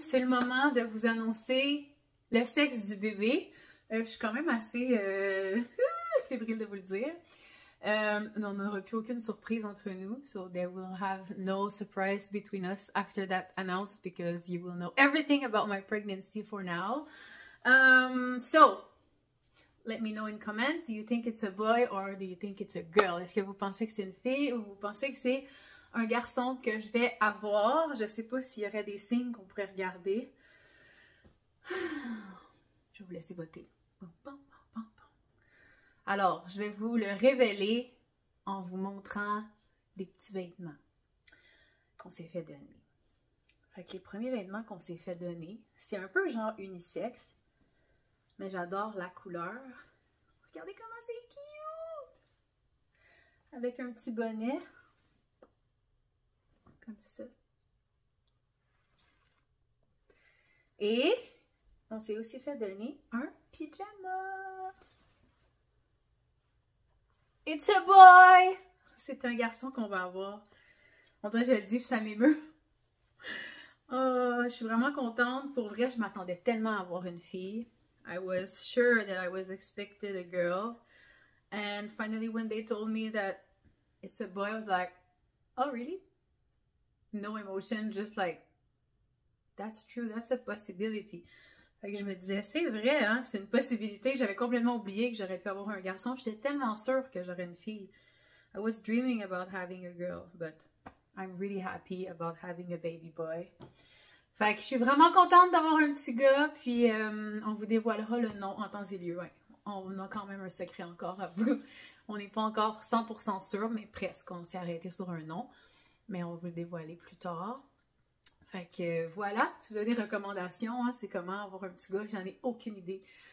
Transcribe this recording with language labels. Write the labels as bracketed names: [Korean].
[French] C'est le moment de vous annoncer le sexe du bébé. Je suis quand même assez fébrile de vous le dire. On n'aura plus aucune surprise entre nous. [English] So there will have no surprise between us after that announce because you will know everything about my pregnancy for now. So, let me know in comment. Do you think it's a boy or do you think it's a girl? [French] Est-ce que vous pensez que c'est une fille ou vous pensez que c'est un garçon que je vais avoir? Je sais pas s'il y aurait des signes qu'on pourrait regarder. Je vais vous laisser voter. Alors, je vais vous le révéler en vous montrant des petits vêtements qu'on s'est fait donner. Fait que les premiers vêtements qu'on s'est fait donner, c'est un peu genre unisexe, mais j'adore la couleur. Regardez comment c'est cute! Avec un petit bonnet. Comme ça. Et on s'est aussi fait donner un pyjama. [English] It's a boy! [French] C'est un garçon qu'on va avoir. On dirait que je le dis, puis ça m'émeut. Oh, je suis vraiment contente. Pour vrai, je m'attendais tellement à avoir une fille. [English] I was sure that I was expected a girl. And finally, when they told me that it's a boy, I was like, oh, really? No emotion, just like, that's true, that's a possibility. [French] Fait que je me disais, c'est vrai, hein, c'est une possibilité. J'avais complètement oublié que j'aurais pu avoir un garçon. J'étais tellement sûre que j'aurais une fille. [English] I was dreaming about having a girl, but I'm really happy about having a baby boy. [French] Fait que je suis vraiment contente d'avoir un petit gars, puis on vous dévoilera le nom en temps et lieu. Ouais. On a quand même un secret encore à vous. On n'est pas encore 100% sûr, mais presque, on s'est arrêté sur un nom. Mais on va vous le dévoiler plus tard. Fait que voilà, si vous avez des recommandations, hein, c'est comment avoir un petit gars, j'en ai aucune idée.